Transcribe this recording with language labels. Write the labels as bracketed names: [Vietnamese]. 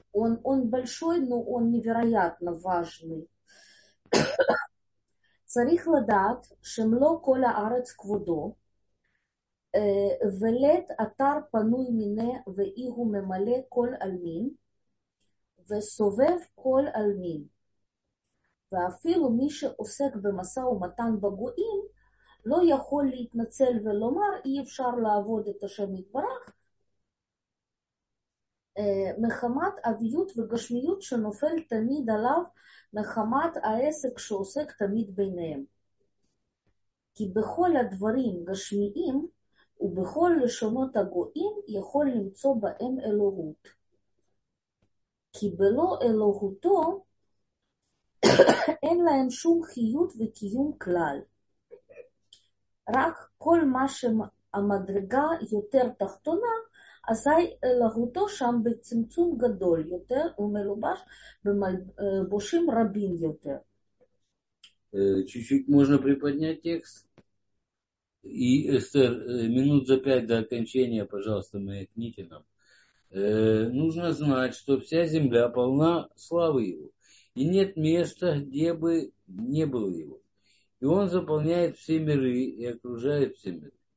[Russian] он большой, но он невероятно важный. [Hebrew] Царих ладат, шемло коля арец кводо, велет атар пануй мине, ве игу мемале коль альмин, ве совев коль альмин. ואפילו מי שעוסק במסע ומתן בגויים, לא יכול להתנצל ולומר, אי אפשר לעבוד את השם יתברך, מחמת אביות וגשמיות שנופל תמיד עליו, מחמת העסק שעוסק תמיד ביניהם. כי בכל הדברים גשמיים, ובכל לשונות הגויים, יכול למצוא בהם אלוהות. כי בלא אלוהותו, אין להם שום חיות וקיום כלל. רק כל מה שהמדרגה יותר תחתונה, אזי אלוהותו שם בצמצום גדול יותר ומלובש בלבושים רבים יותר. [Russian] Чуть-чуть можно приподнять текст. И, Эстер, минут за 5 до окончания, пожалуйста, маякните нам. Нужно знать, что вся земля полна славы его. И нет места, где бы не было его. И он заполняет все миры и окружает все миры.